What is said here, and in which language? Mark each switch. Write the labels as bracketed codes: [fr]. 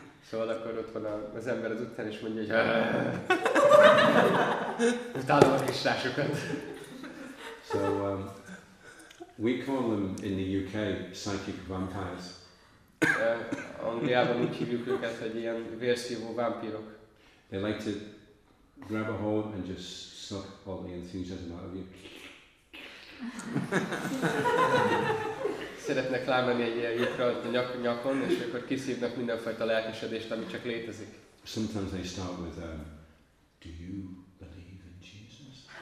[hu] Szóval akkor ott van az ember az utcán és mondja, hogy utálom a kristásokat. [en] So we call them in the UK psychic vampires. [hu] Angliában úgy hívjuk őket, hogy ilyen vérszívó vámpírok. [en] They like to grab a hold and just suck all the enthusiasm out of you. [hu] Szeretnek lámenni egy ilyen lyukra a nyakon, és akkor kiszívnak mindenfajta lelkesedést, ami csak létezik. [en] Sometimes they start with, do you believe in Jesus?